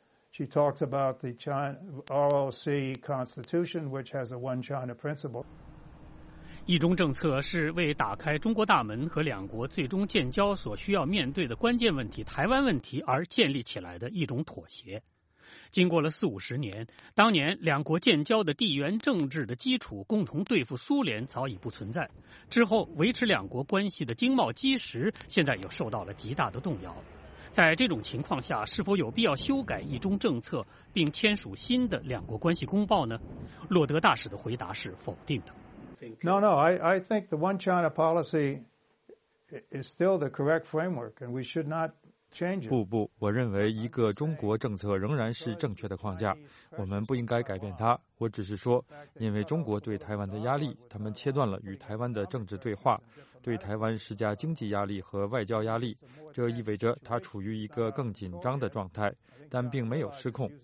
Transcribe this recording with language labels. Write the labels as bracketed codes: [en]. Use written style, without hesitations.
[en] She talks about the ROC Constitution, which has a one China principle. [zh] 一中政策是为打开中国大门和两国最终建交所需要面对的关键问题——台湾问题而建立起来的一种妥协。经过了四五十年，当年两国建交的地缘政治的基础共同对付苏联早已不存在，之后维持两国关系的经贸基石现在又受到了极大的动摇。在这种情况下，是否有必要修改一中政策并签署新的两国关系公报呢？洛德大使的回答是否定的。 [en] No, I think the one China policy is still the correct framework and we should not change it. [zh] 不，我认为一个中国政策仍然是正确的框架，我们不应该改变它。我只是说，因为中国对台湾的压力，他们切断了与台湾的政治对话，对台湾施加经济压力和外交压力，这意味着它处于一个更紧张的状态，但并没有失控。